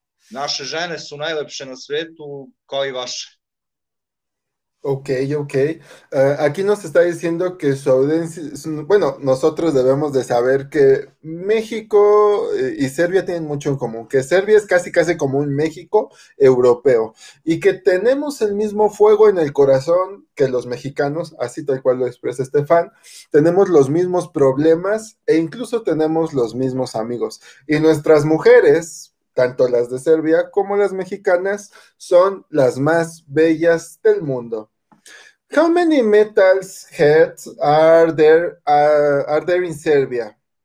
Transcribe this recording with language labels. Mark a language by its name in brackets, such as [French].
[Serbian] Naše žene su najlepše na svetu, kao i vaše. Ok. [Spanish] Aquí nos está diciendo que su audiencia, bueno, nosotros debemos de saber que México y Serbia tienen mucho en común, que Serbia es casi casi como un México europeo y que tenemos el mismo fuego en el corazón que los mexicanos, así tal cual lo expresa Estefan, tenemos los mismos problemas e incluso tenemos los mismos amigos. Y nuestras mujeres, tanto las de Serbia como las mexicanas, son las más bellas del mundo. [English] How many metal heads are there in Serbia?